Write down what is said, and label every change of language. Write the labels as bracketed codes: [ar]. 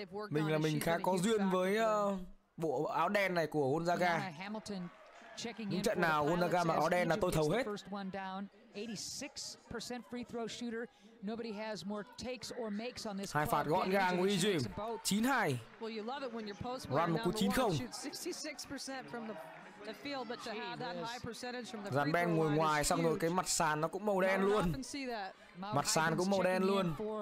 [vi] Mình là mình khá có duyên với bộ áo đen này của Gonzaga. Những trận nào Gonzaga mặc áo đen là tôi thấu hết. [en] 86% free throw shooter. Nobody has more takes or makes on this [vi] hai phạt gọn gàng của Ijim. [en] 9-2. Well, you love it when your post player now shoots 66% from the field, but to have that high percentage from the free throw line. [vi] Ben ngồi ngoài xong rồi cái mặt sàn nó cũng màu đen luôn. Mặt sàn cũng màu đen luôn.